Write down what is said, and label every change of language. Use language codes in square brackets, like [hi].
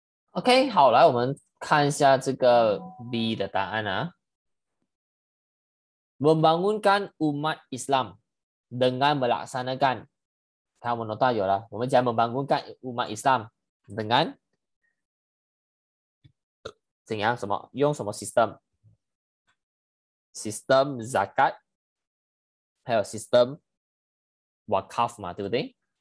[zh] OK，好，来我们看一下这个 B 的答案啊。 [ms] Membangunkan umat Islam dengan melaksanakan， [zh] 看我们都带有了。我们讲 [ms] membangunkan umat Islam dengan [zh] 怎样？什么？用什么 system？System zakat，还有 system wakaf 嘛，对不对？